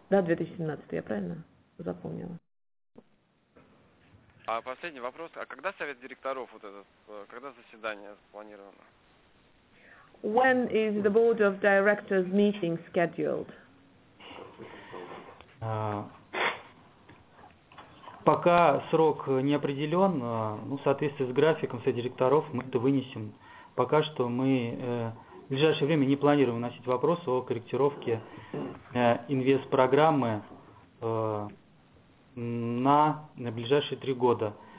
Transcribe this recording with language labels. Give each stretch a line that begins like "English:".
Russian: Да, 2017, я правильно запомнила? А последний вопрос, а когда совет директоров вот этот, когда заседание спланировано?
English: When is the board of directors meeting scheduled?
Russian: Пока срок не определен, ну, в соответствии с графиком совета директоров мы это вынесем. Пока что мы в ближайшее время не планируем вносить вопрос о корректировке инвест-программы на ближайшие 3 года.